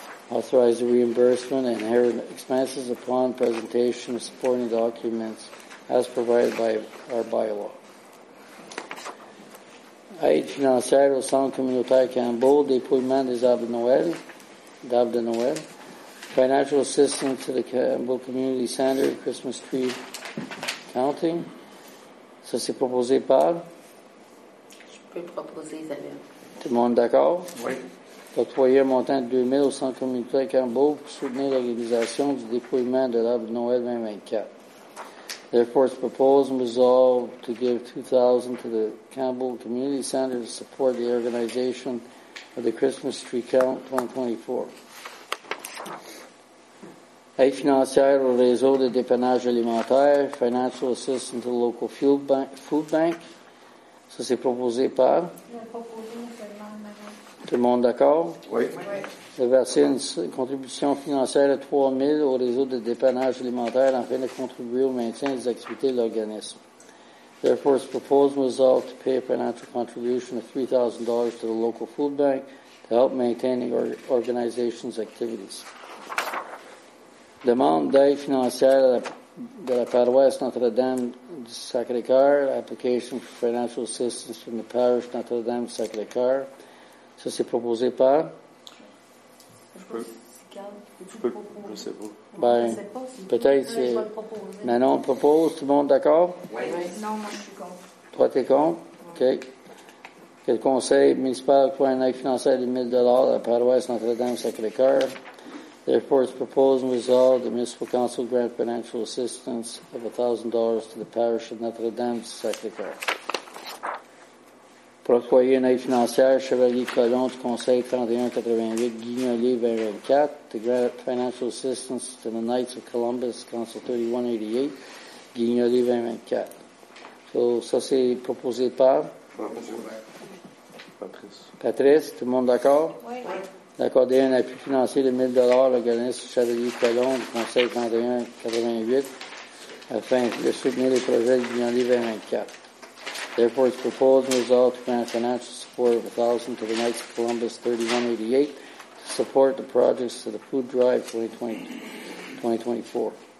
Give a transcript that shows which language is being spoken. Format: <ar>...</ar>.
<en>Authorize the reimbursement and inherent expenses upon presentation of supporting documents as provided by our bylaw.</en> <fr>Aide financière au Centre communautaire Campbell, dépouillement des arbres de Noël, d'arbres de Noël.</fr> <en>Financial assistance to the Campbell Community Center, Christmas Tree Counting.</en> <fr>Ça, c'est proposé par? Je peux proposer, Isabelle. Tout le monde d'accord? Oui. D'octroyer un montant de 2 000 au Centre communautaire Campbell pour soutenir l'organisation du dépouillement de l'arbre de Noël 2024.</fr> <en>Therefore, it's proposed and resolved to give $2,000 to the Campbell Community Center to support the organization of the Christmas Tree Count 2024.</en> <fr>Aide financière au réseau de dépannage alimentaire,</fr> <en>financial assistance to the local food bank.</en> <fr>Ça, c'est proposé par? Tout le monde d'accord? Oui. De verser une contribution financière de 3 000 au réseau de dépannage alimentaire afin de contribuer au maintien des activités de l'organisme.</fr> <en>Therefore, it's proposed and resolved to pay a financial contribution of $3,000 to the local food bank to help maintain the organization's activities.</en> <fr>Demande d'aide financière de la paroisse Notre-Dame du Sacré-Cœur.</fr> <en>Application for financial assistance from the parish Notre-Dame du Sacré-Cœur.</en> <fr>Ça, c'est proposé par? Mais non, on propose, tout le monde d'accord? Oui. Non, moi, je suis contre. Toi, t'es contre? Oui. OK. Quel conseil municipal pour un aide financière de 1 000 $ à la paroisse Notre-Dame du Sacré-Cœur?</fr> <en>Therefore, it's proposed and resolved the Municipal Council grant financial assistance of $1,000 to the parish of Notre-Dame du Sacré-Cœur.</en> <fr>Procoyer une aide financière, Chevalier Colomb du Conseil 3188, Guignolier 2024,</fr> <en>to grant financial assistance to the Knights of Columbus, Council 3188, Guignolier 2024.</en> <fr>So, ça, c'est proposé par? Patrice, tout le monde d'accord? Oui. D'accorder un appui financier de 1 000 $ à l'organisme Chevalier Colomb du Conseil 3188 afin de soutenir les projets de Guignolier 2024.</fr> <en>Therefore, it's proposed and resolved to grant financial support of $1,000 to the Knights of Columbus 3188 to support the projects of the Food Drive 2024.</en>